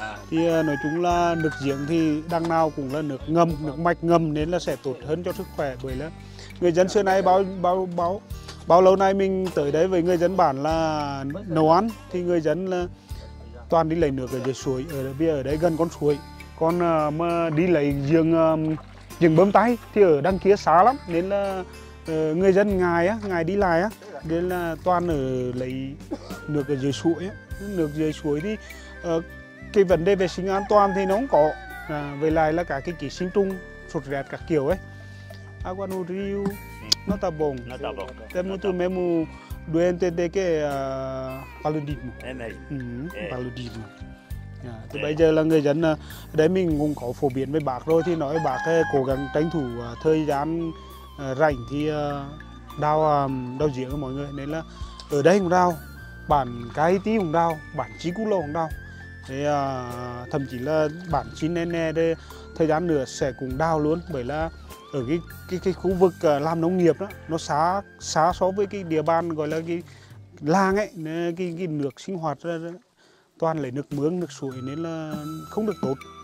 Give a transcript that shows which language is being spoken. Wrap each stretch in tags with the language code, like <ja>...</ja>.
<vi>Thì nói chung là nước giếng thì đằng nào cũng là nước ngâm, nước mạch ngâm nên là sẽ tốt hơn cho sức khỏe, bởi là người dân xưa nay bao lâu nay mình tới đấy với người dân bản là nấu ăn thì người dân là toàn đi lấy nước ở dưới suối, ở đây gần con suối, còn mà đi lấy giếng bơm tay thì ở đằng kia xa lắm, nên là người dân ngày đi lại á, nên là toàn ở lấy nước ở dưới suối. Nước dưới suối thì cái vấn đề vệ sinh an toàn thì nó không có, với lại là cả cái ký sinh trùng sốt rét các kiểu ấy.</vi> <pt>Agua no rio, no tá bom. No tá bom. Tem muito mesmo doente de que paludismo. É mesmo. Paludismo.</pt> <vi>Thì bây giờ là người dân đấy mình cũng có phổ biến với bác rồi, thì nói bác cố gắng tranh thủ thời gian rảnh thì đau giếng mọi người, nên là ở đây cũng đau, bản Cahiti Hồng Đao, bản Chicoutló Hồng Đao. Thế thậm chí là bản Chinene đây, thời gian nữa sẽ cùng đào luôn, bởi là ở cái khu vực làm nông nghiệp đó, nó xá so với cái địa bàn gọi là cái làng ấy, cái nước sinh hoạt đó, toàn lấy nước mướng, nước suối nên là không được tốt.</vi>